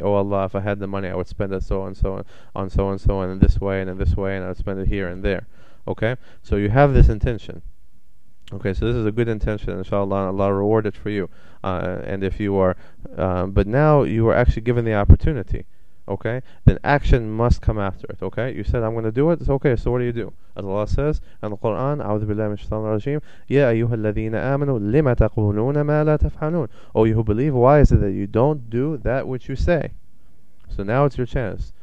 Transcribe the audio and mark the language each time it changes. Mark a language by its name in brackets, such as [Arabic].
[English] Oh Allah, if I had the money, I would spend it so and so, in this way and in this way, and I would spend it here and there. Okay, so you have this intention. Okay, so this is a good intention, inshallah, and Allah reward it for you. And if you are, but now you are actually given the opportunity, okay, then action must come after it, okay? You said, I'm going to do it, okay, so what do you do? As Allah says in the Quran, [Arabic] أعوذ بالله من الشيطان الرجيم, يَا أَيُّهَا الَّذِينَ آمَنُوا لِمَ تَقُولُونَ مَا لَا تَفْحَنُونَ. [English] Oh, you who believe, why is it that you don't do that which you say? So now it's your chance.